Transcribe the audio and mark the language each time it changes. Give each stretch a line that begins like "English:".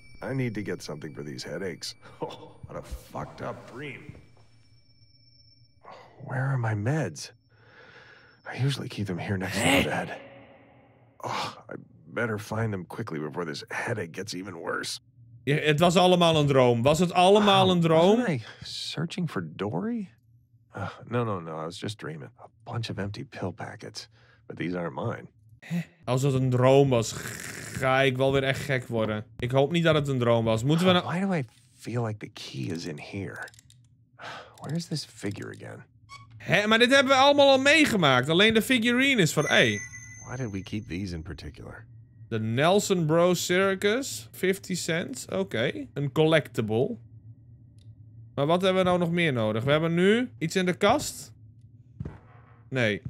English: I need to get something for these headaches. What a fucked up dream. Where are my meds? I usually keep them here next to the bed. I better find them quickly before this headache gets even worse.
Dutch: Ja, het was allemaal een droom. Was het allemaal een droom?
English: Wasn't I searching for Dory? No, I was just dreaming. A bunch of empty pill packets. But these aren't mine.
Dutch: Als het een droom was, ga ik wel weer echt gek worden. Ik hoop niet dat het een droom was. Moeten we nou...
English: Why do I feel like the key is in here? Where is this figure again?
Dutch: Hé, maar dit hebben we allemaal al meegemaakt. Alleen de figurine is van, hey.
English: Why did we keep these in particular? The Nelson Bros Circus. 50 cents, okay.
Dutch: Een collectible. Maar wat hebben we nou nog meer nodig? We hebben nu iets in de kast. Nee.